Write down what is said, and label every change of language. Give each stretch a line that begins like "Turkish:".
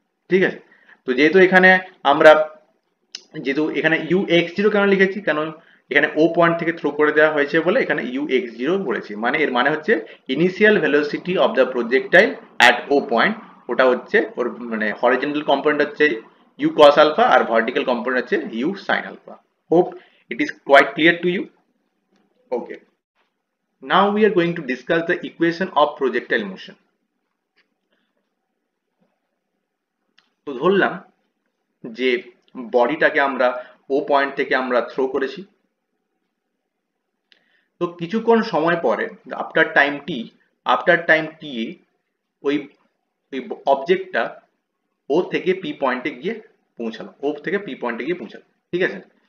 Bangla: ঠিক আছে, তো যেহেতু এখানে আমরা যেহেতু এখানে ইউ এক্স জিরো কেন লিখেছি, কেন এখানে ও পয়েন্ট থেকে থ্রো করে দেওয়া হয়েছে বলে এখানে ইউ এক্স জিরো বলেছি, মানে এর মানে হচ্ছে
English: initial velocity of the projectile at O point,
Bangla: ওটা হচ্ছে ওর মানে হরাইজন্টাল কম্পোনেন্ট হচ্ছে you cos alpha, আর vertical component হচ্ছে you sine alpha.
English: Hope it is quite clear to you.
Bangla: Okay.
English: Now we are going to discuss the equation of projectile motion.
Bangla: তো ধরলাম যে বডিটাকে আমরা ও point থেকে আমরা throw করেছি, তো কিছুক্ষণ সময় পরে আফটার টাইম টি এ ওই ওই অবজেক্টটা ও থেকে পি পয়েন্টে গিয়ে পৌঁছালো, ও থেকে পি পয়েন্টে গিয়ে পৌঁছালো, ঠিক আছে।